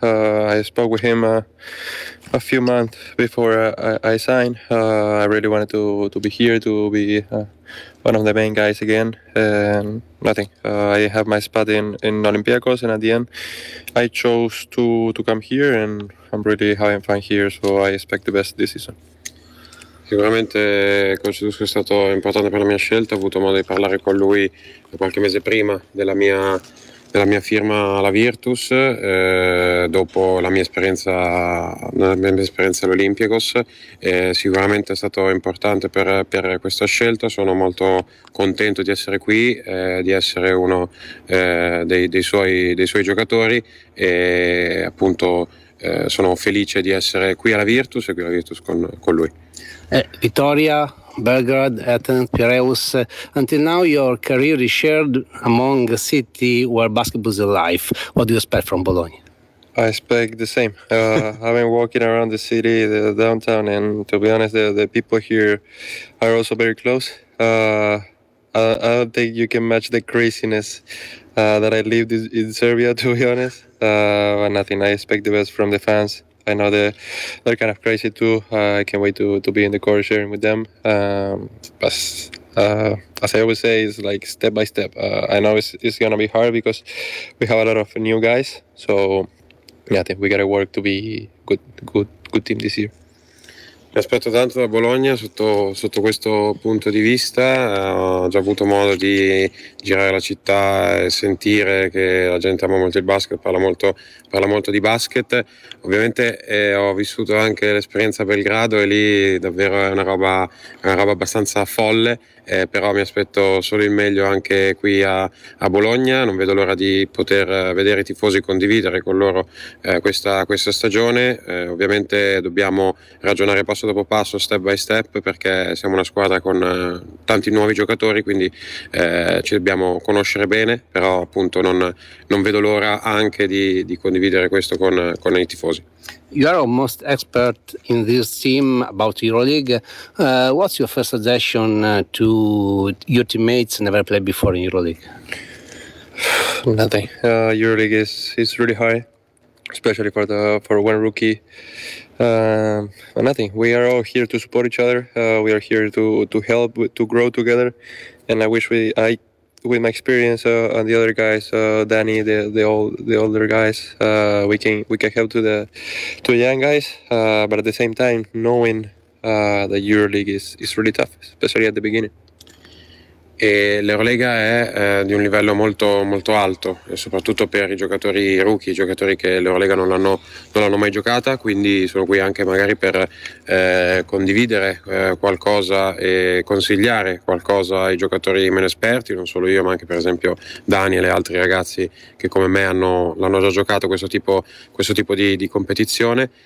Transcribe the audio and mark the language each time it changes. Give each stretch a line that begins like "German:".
English: I spoke with him a few months before I signed. I really wanted to be here, to be one of the main guys again, and nothing. I have my spot in Olympiacos, and at the end I chose to come here, and I'm really having fun here, so I expect the best this season.
Italian: Sicuramente Concedusco è stato importante per la mia scelta, ho avuto modo di parlare con lui qualche mese prima della mia firma alla Virtus, dopo la mia esperienza all'Olympiacos. Sicuramente è stato importante per questa scelta. Sono molto contento di essere qui, di essere uno dei suoi giocatori, e appunto sono felice di essere qui alla Virtus e qui alla Virtus con lui.
English: Vittoria, Belgrade, Athens, Piraeus. Until now, your career is shared among a city where basketball is alive. What do you expect from Bologna? I expect the same. I've been walking around the city, the downtown, and to be honest, the people here are also very close. I don't think you can match the craziness that I lived in Serbia, to be honest. But nothing. I expect the best from the fans. I know they're kind of crazy too. I can't wait to be in the court sharing with them. As I always say, it's like step by step. I know it's going to be hard because we have a lot of new guys. So, yeah, I think we got to work to be good team this year.
Italian: Mi aspetto tanto da Bologna sotto questo punto di vista. Ho già avuto modo di girare la città e sentire che la gente ama molto il basket, parla molto di basket. Ovviamente ho vissuto anche l'esperienza a Belgrado, e lì davvero è una roba abbastanza folle, però mi aspetto solo il meglio anche qui a Bologna. Non vedo l'ora di poter vedere i tifosi, condividere con loro questa stagione. Ovviamente dobbiamo ragionare passo dopo passo,
English: step by step,
Italian: perché siamo una squadra con tanti nuovi giocatori, quindi ci dobbiamo conoscere bene, però appunto non vedo l'ora anche di condividere questo con i tifosi.
English: You are almost expert in this team about EuroLeague. What's your first suggestion to your teammates never played before in EuroLeague? Nothing. EuroLeague is really high, especially for one rookie. Nothing. We are all here to support each other. We are here to help, to grow together. And I wish I with my experience and the other guys, Danny, the older guys, we can help to the young guys. But at the same time, knowing that EuroLeague is really tough, especially at the beginning.
Italian: E l'Eurolega è di un livello molto, molto alto, soprattutto per i giocatori rookie, i giocatori che l'Eurolega non l'hanno mai giocata, quindi sono qui anche magari per condividere qualcosa e consigliare qualcosa ai giocatori meno esperti, non solo io ma anche per esempio Dani e gli altri ragazzi che come me l'hanno già giocato questo tipo di competizione.